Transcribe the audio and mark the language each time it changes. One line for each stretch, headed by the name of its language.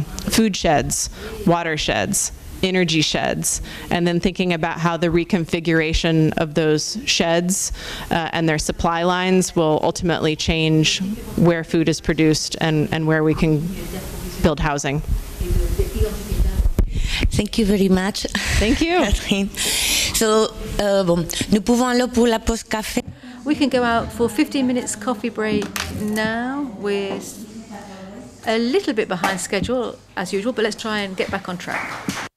English: food sheds, water sheds, energy sheds, and then thinking about how the reconfiguration of those sheds and their supply lines will ultimately change where food is produced and where we can build housing. Thank you very much. Thank you.
French: So, nous pouvons aller pour la pause café.
English: We can go out for 15 minutes coffee break now. We're a little bit behind schedule, as usual, but let's try and get back on track.